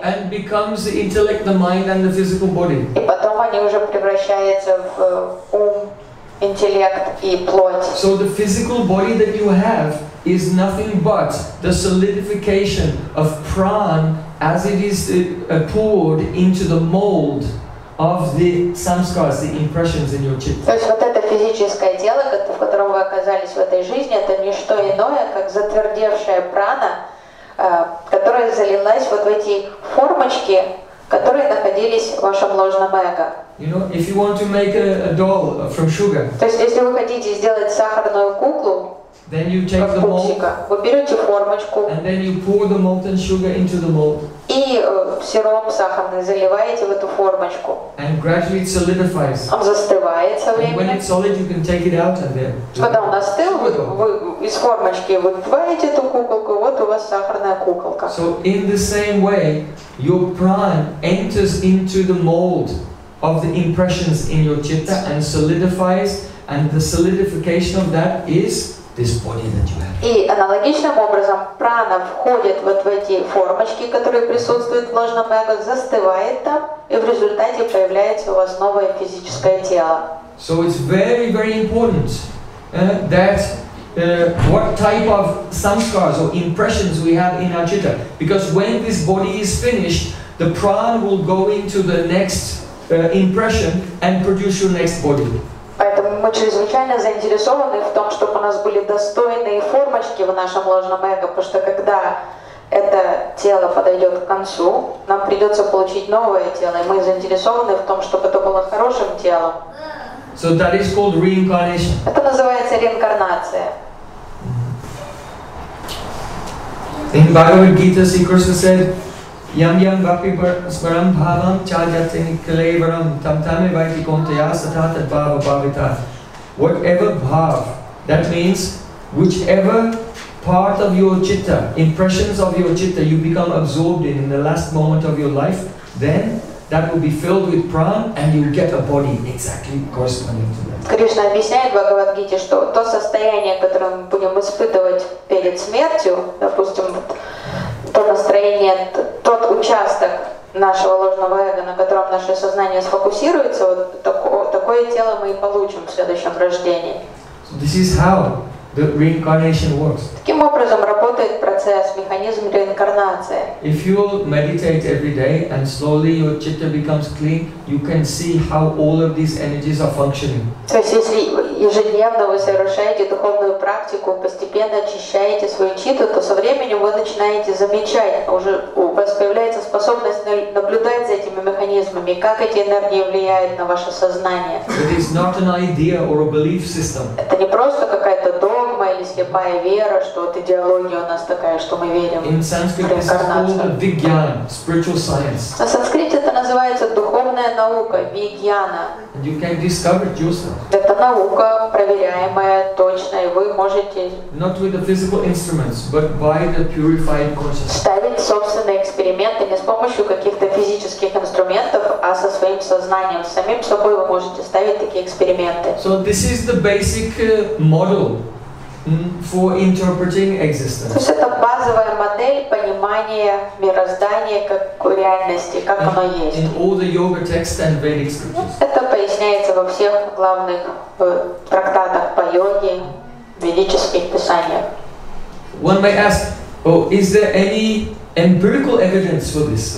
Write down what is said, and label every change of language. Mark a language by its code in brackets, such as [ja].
[en] And becomes the intellect, the mind, and the physical body. [ru] И потом они уже превращаются в ум, интеллект и плоть. [en] So the physical body that you have is nothing but the solidification of prana as it is poured into the mold of the samskaras, the impressions in your chitta. [ru] То есть вот это физическое тело, в котором вы оказались в этой жизни, это не что иное, как затвердевшая прана, которая залилась вот в эти формочки, которые находились в вашем ложном эго. [en] You know, if you want to make a doll from sugar. [ru] То есть если вы хотите сделать сахарную куклу, [en] then you take the mold, [ru] вы берете формочку, [en] and then you pour the molten sugar into the mold. [ru] И сироп сахарный заливаете в эту формочку. [en] And gradually it solidifies. [ru] Он застывает со временем. [en] And when it's solid, you can take it out and then. [ru] Когда он остыл, вы из формочки вытываете эту куколку, вот у вас сахарная куколка. [en] So in the same way, your prana enters into the mold of the impressions in your chitta and solidifies, and the solidification of that is this body that you have. [ru] И аналогичным образом прана входит вот в эти формочки, которые присутствуют в ложном эго, застывает там, и в результате появляется у вас новое физическое тело. [en] So it's very, very important that what type of samskaras or impressions we have in our chitta. Because when this body is finished, the prana will go into the next impression and produce your next body. [ru] Поэтому мы чрезвычайно заинтересованы в том, чтобы у нас были достойные формочки в нашем ложном эго, потому что когда это тело подойдет к концу, нам придется получить новое тело, и мы заинтересованы в том, чтобы это было хорошим телом. [en] So that is called reincarnation. [ru] Это называется реинкарнация. [en] In Bhagavad Gita, Sri Krishna said, [sa] Yam yam vapi svaram bhavam chajate nikalevaram tam tame vaiti konteya satatat bhava bhavita. [en] Whatever bhav, that means whichever part of your chitta, impressions of your chitta you become absorbed in the last moment of your life, then that will be filled with prana and you'll get a body exactly corresponding to that. [ru] Кришна объясняет в Бхагавад-гите, что то состояние, которое мы будем испытывать перед смертью, допустим, то настроение, тот участок нашего ложного эго, на котором наше сознание сфокусируется, вот такое тело мы и получим в следующем рождении. [en] So this is how the reincarnation works. [ru] Таким образом работает процесс, механизм реинкарнации. [en] If you meditate every day and slowly your chitta becomes clean, you can see how all of these energies are functioning. [ru] То есть если ежедневно вы совершаете духовную практику, постепенно очищаете свою читу, то со временем вы начинаете замечать, уже у вас появляется способность наблюдать за этими механизмами, как эти энергии влияют на ваше сознание. [en] It is not an idea or a belief system. [ru] Это не просто какая-то догма или слепая вера, что вот идеология у нас такая, что мы верим в реинкарнацию. [en] In Sanskrit, it's called vigyan, spiritual science. [ru] На санскрите это называется духовная наука. наука, вигьяна. [en] You can discover yourself. [ru] Это наука, проверяемая точно, и вы можете. [en] Not with the physical instruments, but by the purified consciousness. [ru] Ставить собственные эксперименты не с помощью каких-то физических инструментов, а со своим сознанием, самим собой вы можете ставить такие эксперименты. [en] So this is the basic model for interpreting existence. [ru] То есть это базовая модель понимания мироздания как реальности, как оно есть. [en] In all the yoga texts and Vedic scriptures. [ru] Это поясняется во всех главных трактатах по йоге, ведических писаниях. [en] One may ask, oh, is there any empirical evidence for this?